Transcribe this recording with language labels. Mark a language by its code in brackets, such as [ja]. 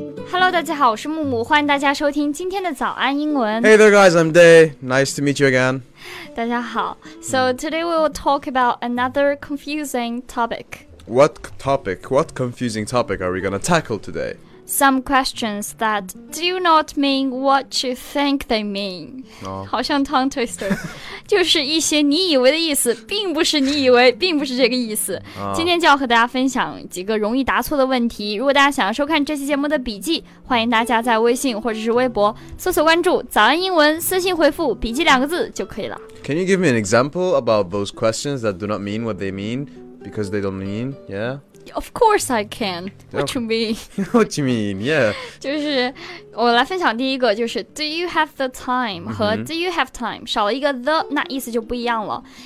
[en] Hello, [zh] 大家好，我是木木，欢迎大家收听今天的早安英文。 [en] Hey there, guys. I'm Day. Nice to meet you again. [zh] 大家好。 [en] So today we will talk about another confusing topic. What topic? What confusing topic are we going to tackle today? Some questions that do not mean what you think they mean. [zh] 好像 [en] tongue twister. [zh] 就是一些你以为的意思，并不是你以为，并不是这个意思。今天就要和大家分享几个容易答错的问题。如果大家想要收看这期节目的笔记，欢迎大家在微信或者是微博搜索关注“早安英文”，私信回复“笔记”两个字就可以了。 [en] Can you give me an example about those questions that do not mean what they mean because they don't mean? Yeah. Of course I can. What you mean? What you mean? Yeah. [zh] 就是。我来分享第一个，就是 [en] Do you have the time [zh] 和 [en] Do you have time [zh] 少了一个 the， 那意思就不一样了。